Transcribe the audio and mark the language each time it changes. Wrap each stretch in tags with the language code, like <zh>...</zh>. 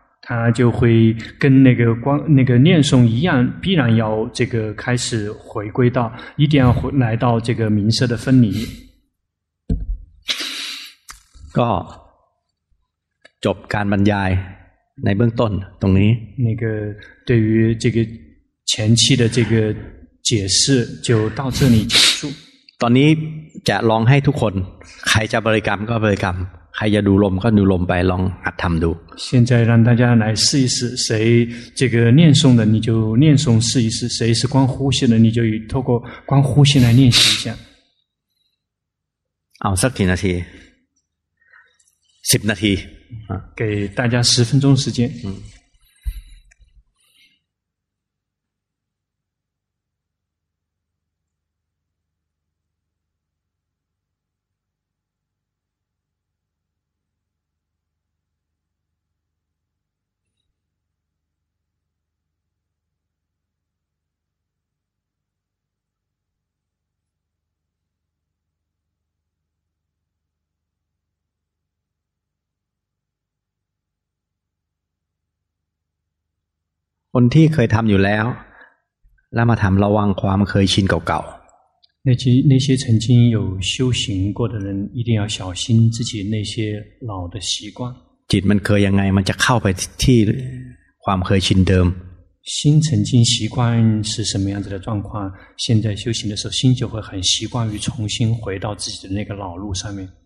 <zh>他就会跟那个光那个念诵一样，必然要这个开始回归到，一定要回来到这个名色的分离。</zh> <th>ก็จบการบรรยายในเบื้องต้นตรงนี้</th> <zh>。 那个对于这个。前期的这个解释就到这里结束。</zh> <th>ตอนนี้จะลองให้ทุกคนใครจะบริกรรมก็บริกรรมใครจะดูลมก็ดูลมไปลองหัดทำดู。</th> <zh>现在让大家来试一试，谁这个念诵的你就念诵试一试，谁是光呼吸的你就透过光呼吸来练习一下。</zh> <th>เอาสักกี่นาที？ สิบนาที。</th> <zh>给大家十分钟时间。嗯。</zh> <th>คนที่เคยทำอยู่แล้วแล้วมาทำระวังความเคยชินเก่า</th> <zh>ๆ那些曾经有修行过的人一定要小心自己那些老的习惯</zh> <th>จิตมันเคยยังไงมันจะเข้าไปที่ความเคยชินเดิม</th> <zh>心曾经习惯是什么样子的状况现在修行的时候心就会很习惯于重新回到自己的那个老路上面</zh>